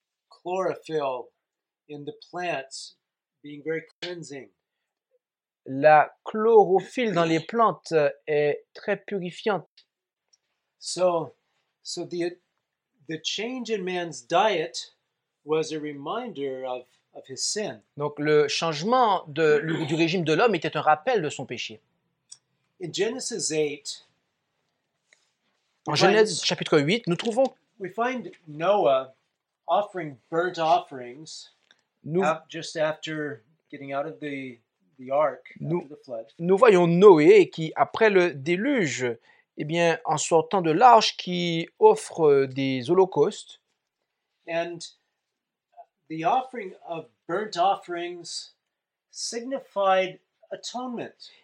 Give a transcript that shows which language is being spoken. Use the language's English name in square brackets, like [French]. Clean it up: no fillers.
[English] Chlorophyll in the plants being very cleansing. [French] La chlorophylle dans les plantes est très purifiante. [English] So the change in man's diet was a reminder of his sin. [French] Donc le changement du régime de l'homme était un rappel de son péché. [English] In Genesis 8, [French] en Genèse chapitre 8, nous trouvons [English] we find Noah offering burnt offerings just after getting out of the ark, after the flood. [French] Nous voyons Noé qui, après le déluge, eh bien, en sortant de l'arche, qui offre des holocaustes. [English] And the offering of burnt offerings signified atonement.